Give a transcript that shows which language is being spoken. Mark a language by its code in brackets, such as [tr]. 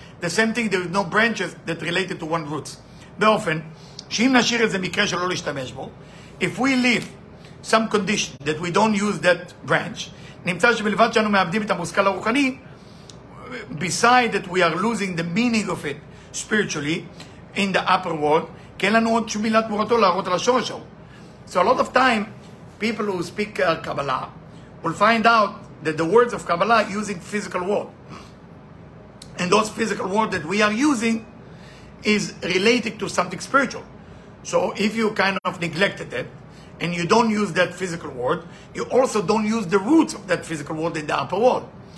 [en] The same thing, there is no branches that related to one roots. [he] באופן, שאם נשאיר איזה מקרה שלא להשתמש בו, [en] if we leave some condition that we don't use that branch, [he] נמצא שבלבד שאנו מאבדים את המושכל הרוחני, [en] beside that we are losing the meaning of it spiritually in the upper world, [he] כי אין לנו עוד שום מילה תמורתו להראות על השורש שלו. [en] So a lot of time, people who speak Kabbalah will find out that the words of Kabbalah are using physical word. And those physical words that we are using is related to something spiritual. So if you kind of neglected it and you don't use that physical word, you also don't use the roots of that physical word in the upper world.